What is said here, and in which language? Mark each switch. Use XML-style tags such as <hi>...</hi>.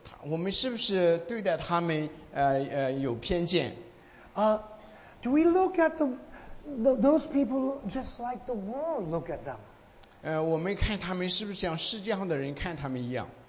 <zh>我们是不是对待他们有偏见？</zh> <en>Do we look at those people just like the world look at them?</en> <zh>我们看他们是不是像世界上的人看他们一样。</zh>